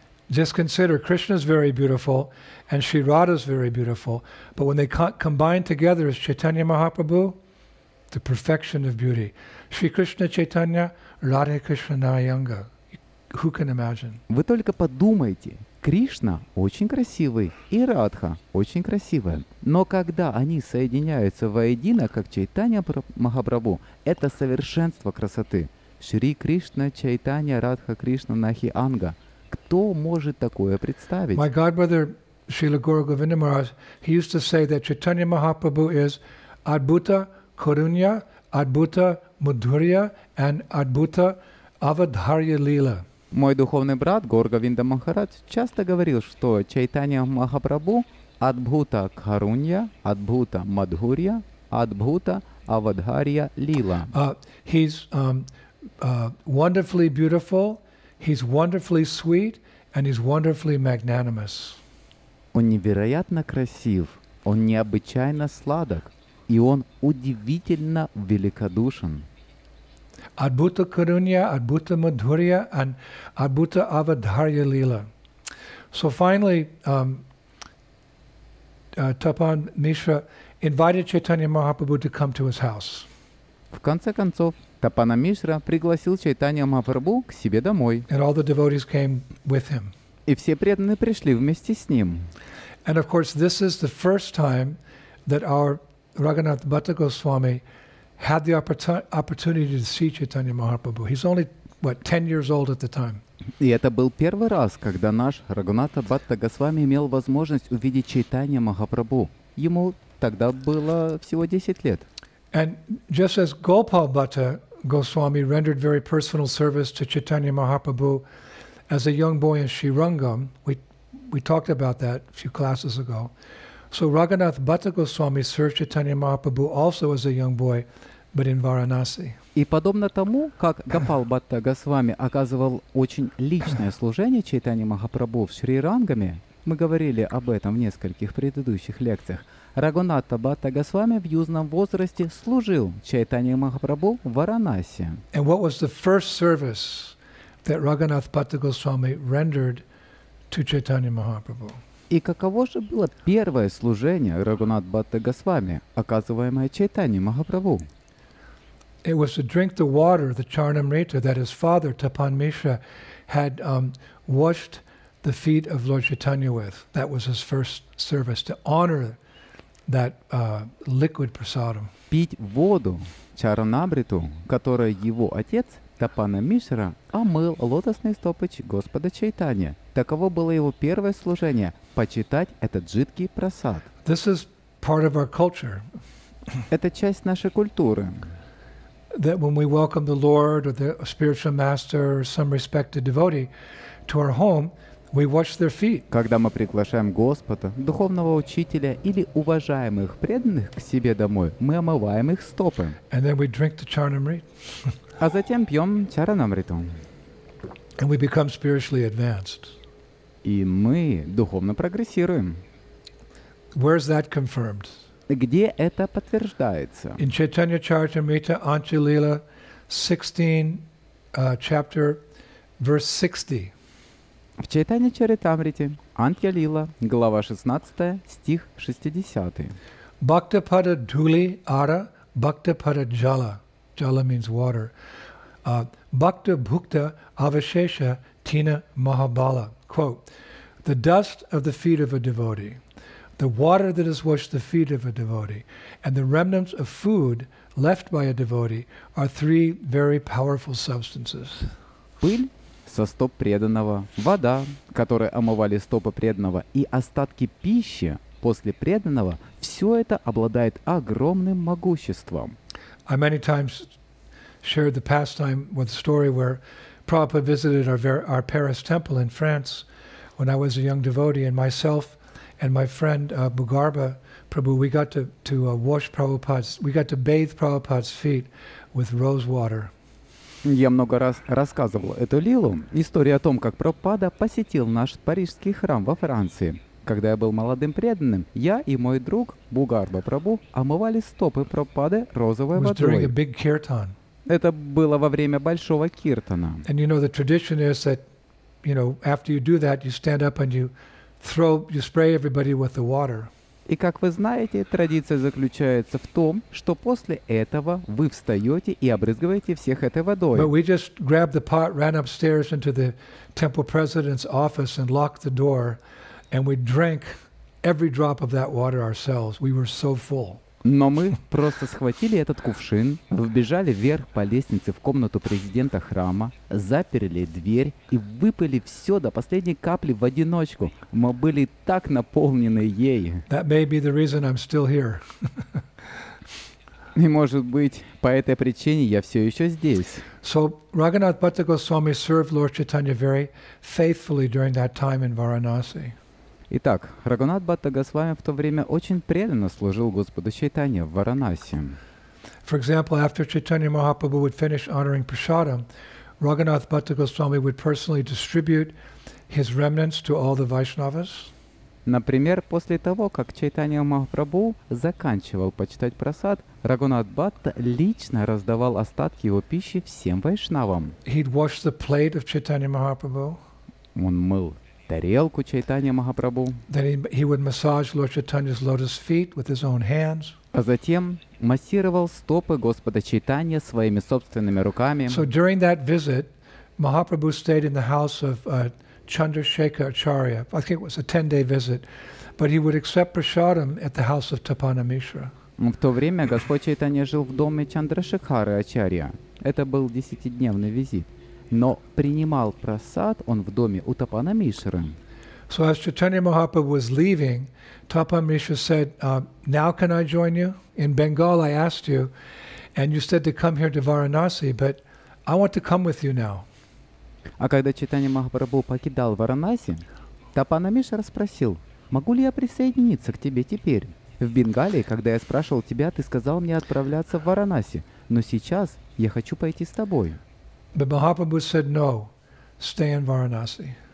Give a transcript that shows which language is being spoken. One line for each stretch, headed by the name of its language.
English: Just consider, Krishna is very beautiful, and Shri Radha is very beautiful, but when they combine together as Chaitanya Mahaprabhu, the perfection of beauty. Shri Krishna Chaitanya, Radha Krishna Narayanga. Who can imagine?
Russian: Вы только подумайте, Кришна очень красивый, и Радха очень красивая. Но когда они соединяются воедино, как Чайтанья Махапрабху, это совершенство красоты. Шри Кришна Чайтанья Радха Кришна Нахи Анга. Кто может такое представить?
English: My godbrother, Srila Guru Govinda Maharaj, he used to say that Chaitanya Mahaprabhu is Adbhuta Karunya, Adbhuta Madhurya, and Adbhuta Avadharya Lila.
Russian: Мой духовный брат Горгавинда Махарадж часто говорил, что Чайтанья Махапрабху – Адбхута Карунья, Адбхута Мадхурья, Адбхута Авадхарья Лила.
English: Wonderfully beautiful, he's wonderfully sweet, and he's wonderfully magnanimous.
Russian: Он невероятно красив, он необычайно сладок, и он удивительно великодушен.
English: Adbhuta Karunya, Adbhuta Madhurya, and Adbhuta Avadharya Lila. So finally, Tapan Mishra invited Chaitanya Mahaprabhu to come to his house.
Russian: В конце концов, Тапана Мишра пригласил Чайтанья Махапрабху к себе домой.
English: And all the devotees came with him.
Russian: И все преданные пришли вместе с ним.
English: And of course, this is the first time that our Raghunath Bhatta Goswami had the opportunity to see Chaitanya Mahaprabhu. He's only, 10 years old at the time.
Russian: И это был первый раз, когда наш Рагхунатха Бхатта Госвами имел возможность увидеть Чайтанья Махапрабху. Ему тогда было всего 10 лет.
English: And just as Gopal Bhatta Goswami rendered very personal service to Chaitanya Mahaprabhu as a young boy in Srirangam, we talked about that a few classes ago, so Raghunath Bhatta Goswami served Chaitanya Mahaprabhu also as a young boy, but in Varanasi.
Russian: И подобно тому, как Гопал Бхатта Госвами оказывал очень личное служение Чайтанья Махапрабху в Шри-Рангаме, мы говорили об этом в нескольких предыдущих лекциях, Рагхунатха Бхатта Госвами в юном возрасте служил Чайтанья Махапрабху в Варанаси.
English: And what was the first service that Raghunath Bhatta Goswami rendered to Chaitanya Mahaprabhu?
Russian: И каково же было первое служение Рагхунатха Бхатта Госвами, оказываемое Чайтанья Махапрабху?
English: It was to drink the water, the charnamrita, that his father, Tapan Mishra, had washed the feet of Lord Chaitanya with. That was his first service, to honor that liquid prasadam.
Russian: Пить воду чаранабриту, которая его отец Тапана Мишра омыл лотосные стопы Господа Чайтанья. Таково было его первое служение – почитать этот жидкий прасад.
English: This is part of our culture.
Russian: Это часть нашей культуры.
English: That when we welcome the Lord or the spiritual master or some respected devotee to our home, we wash their feet.
Russian: Когда мы приглашаем Господа, духовного учителя или уважаемых преданных к себе домой, мы омываем их стопы.
English: And then we drink the charanamrit.
Russian: А затем пьем чаранамриту.
English: And we become spiritually advanced.
Russian: И мы духовно прогрессируем.
English: Where is that confirmed?
Russian: Где это подтверждается?
English: In Chaitanya Charitamrita, Anchalila 16, chapter, verse 60.
Russian: В Чайтанья Чаритамрите, Анхья-лила, глава 16, стих 60.
Bangla: Бхактапада дхули ара, бхактапада джала. Джала
English: means water.
Bangla: Бхакта бхукта авашеша тина махабала.
English: Quote, the dust of the feet of a devotee, the water that has washed the feet of a devotee, and the remnants of food left by a devotee are three very powerful substances.
Russian: Пыль со стоп преданного, вода, которой омывали стопы преданного, и остатки пищи после преданного – все это обладает огромным могуществом.
English: I many times shared the pastime with a story where Prabhupada visited our Paris temple in France when I was a young devotee, and myself and my friend Bugarba Prabhu, we got to bathe Prabhupada's feet with rose water.
Russian: Я много раз рассказывал эту лилу, историю о том, как Прабхупада посетил наш парижский храм во Франции. Когда я был молодым преданным, я и мой друг Бугарба Прабу омывали стопы Прабхупады розовой водой.
English: It was during a big kirtan.
Russian: Это было во время большого киртана.
English: And you know the tradition is that, you know, after you do that, you stand up and you spray everybody with the water.
Russian: И как вы знаете, традиция заключается в том, что после этого вы встаете и обрызгиваете всех этой водой.
English: But we just grabbed the pot, ran upstairs into the temple president's office and locked the door. And we drank every drop of that water ourselves. We were so full.
Russian: Но мы просто схватили этот кувшин, вбежали вверх по лестнице в комнату президента храма, заперли дверь и выпили все до последней капли в одиночку. Мы были так наполнены ей.
English: That may be the reason I'm still here.
Russian: И, может быть, по этой причине я все еще здесь.
English: So, Raghunath Bhatta Goswami served Lord Chaitanya very faithfully during that time in Varanasi.
Russian: Итак, Рагунат Бхатта Госвами в то время очень преданно служил Господу Чайтанье в Варанаси.
English: For example, after Chaitanya Mahaprabhu would finish honoring prasadam, Raghunath Bhatta Goswami would personally distribute his remnants to all the Vaishnavas.
Russian: Например, после того, как Чайтанья Махапрабху заканчивал почитать прасад, Рагунат Бхатта лично раздавал остатки его пищи всем вайшнавам.
English: He'd wash the plate of Chaitanya Mahaprabhu.
Russian: Он мыл тарелку Чайтанья Махапрабху.
English: Then he would massage Lord Chaitanya's lotus feet with his own hands.
Russian: А затем массировал стопы Господа Чайтанья своими собственными руками.
English: So during that visit, Mahaprabhu stayed in the house of Chandrasekhar Acharya. I think it was a 10-day visit, but he would accept prasadam at the house of Tapana Mishra.
Russian: В то время Господь Чайтанья жил в доме Чандрашекхары Ачарья. Это был 10-дневный визит. Но принимал прасад он в доме у Тапана Мишры.
English: So as Chaitanya Mahaprabhu was leaving, Tapana Mishra said, now can I join you? In Bengal I asked you, and you said to come here to Varanasi, but I want to come with you now.
Russian: А когда Чайтанья Махапрабху покидал Варанаси, Тапана Мишра спросил, могу ли я присоединиться к тебе теперь? В Бенгалии, когда я спрашивал тебя, ты сказал мне отправляться в Варанаси, но сейчас я хочу пойти с тобой.
English: But Mahaprabhu said, no, stay in Varanasi.